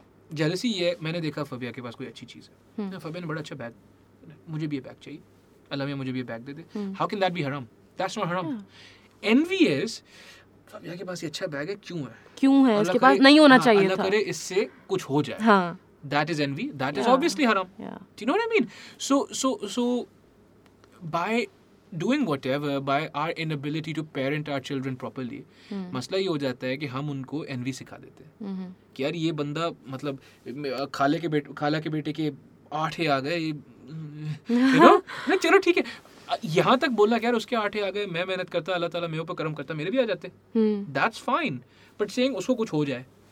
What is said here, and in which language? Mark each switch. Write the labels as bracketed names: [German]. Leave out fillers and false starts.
[Hindi] Jealousy ये, मैंने देखा फबिया के पास कोई अच्छी चीज़ है, फबिया ने बड़ा अच्छा बैग, मुझे भी ये बैग चाहिए, अल्लाह मियां मुझे भी ये bag दे दे. [English] How can that be हराम? That's not हराम. एनवी इज [Hindi] फबिया के पास ये अच्छा बैग है, क्यों है, क्यों है, इसके पास नहीं होना चाहिए था, अल्लाह करे इससे कुछ हो जाए. [English] That is envy. That is obviously haram. Do you know what I mean? So, by doing whatever, by our inability to parent our children properly, [Hindi] मसला ये हो जाता है कि हम उनको envy सिखा देते हैं. कि यार ये बंदा, मतलब खाला के बेटे के 8 आ गए, [English] you know? [Hindi] चलो ठीक है, यहाँ तक बोला क्या यार, उसके 8 आ गए, मैं मेहनत करता, अल्लाह ताला मेरे ऊपर कर्म करता, मेरे भी आ जाते. [English] That's fine. But saying [Hindi] उसको कुछ हो जाए.